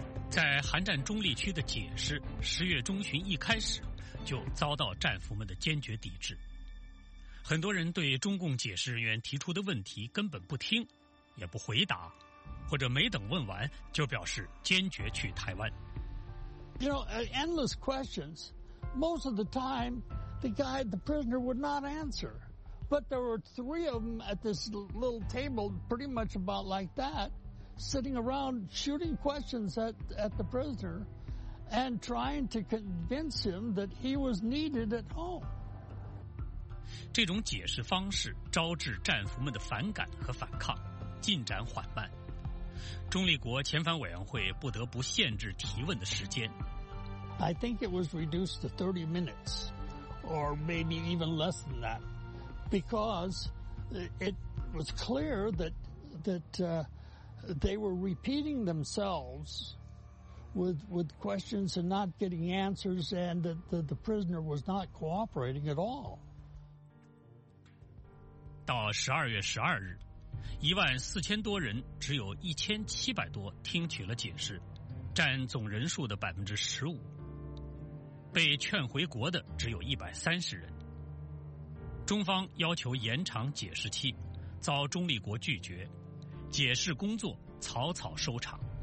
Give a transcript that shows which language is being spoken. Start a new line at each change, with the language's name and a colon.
Chinese: 在韩战中立区的解释，10月中旬一开始就遭到战俘们的坚决抵制。很多人对中共解释人员提出的问题根本不听，也不回答，或者没等问完就表示坚决去台湾。
English: You know, endless questions. Most of the time, the prisoner would not answer. But there were 3 of them at this little table, pretty much about like that.Sitting around shooting questions at the prisoner, and trying to convince him that he was needed at home.
Chinese: 这种解释方式招致战俘们的反感和反抗，进展缓慢。中立国遣返委员会不得不限制提问的时间。
English: I think it was reduced to 30 minutes, or maybe even less than that, because it was clear that they were repeating themselves with questions and not getting answers, and that the prisoner was not cooperating at all.
Chinese: 到12月12日，一万四千多人，只有1700多听取了解释，占总人数的15%。被劝回国的只有130人。中方要求延长解释期，遭中立国拒绝，解释工作草草收场。